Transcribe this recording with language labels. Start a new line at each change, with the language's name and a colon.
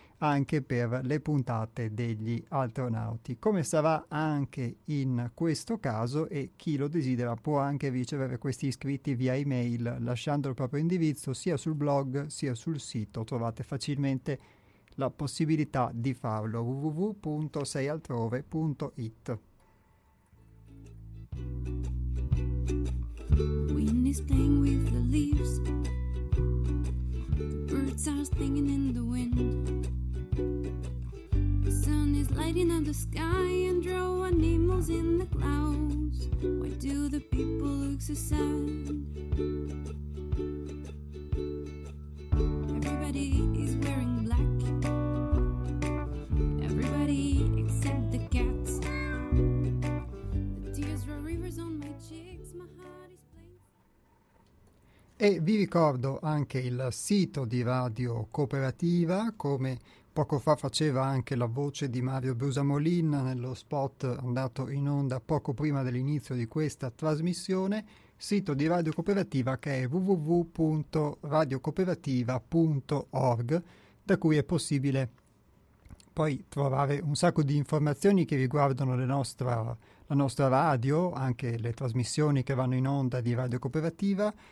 Italian: anche per le puntate degli Altronauti, come sarà anche in questo caso, e chi lo desidera può anche ricevere questi iscritti via email lasciando il proprio indirizzo sia sul blog sia sul sito. Trovate facilmente la possibilità di farlo, www.seialtrove.it.
English: Wind is playing with the leaves, birds are singing in the wind, sun is lighting up the sky and draw animals in the clouds. Why do the people look so sad? Everybody is wearing black, everybody except the cats. The tears run rivers on my cheeks, my heart is playing.
Italian: E vi ricordo anche il sito di Radio Cooperativa, come poco fa faceva anche la voce di Mario Brusamolin nello spot andato in onda poco prima dell'inizio di questa trasmissione, sito di Radio Cooperativa che è www.radiocooperativa.org, da cui è possibile poi trovare un sacco di informazioni che riguardano la nostra radio, anche le trasmissioni che vanno in onda di Radio Cooperativa.